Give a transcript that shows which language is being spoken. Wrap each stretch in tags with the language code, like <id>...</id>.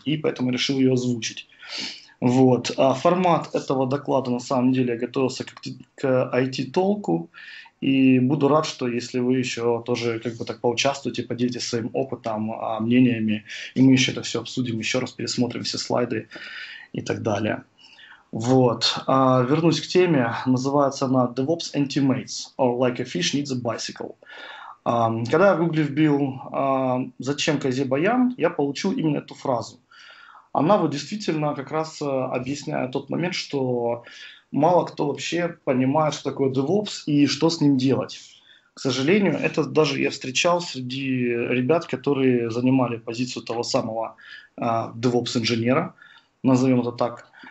<ru>И поэтому решил ее озвучить. Вот. Формат этого доклада, на самом деле, я готовился к IT-толку, и буду рад, что если вы еще тоже как бы так поучаствуете, поделитесь своим опытом, мнениями, и мы еще это все обсудим, еще раз пересмотрим все слайды и так далее. Вот. Вернусь к теме. Называется она</ru> <en>DevOps and Teammates, or like a fish needs a bicycle.</en> <ru>Когда я в Google вбил «Зачем козе баян?», я получил именно эту фразу. Она вот действительно как раз объясняет тот момент, что мало кто вообще понимает, что такое DevOps и что с ним делать. К сожалению, это даже я встречал среди ребят, которые занимали позицию того самого DevOps-инженера, назовем это так.</ru>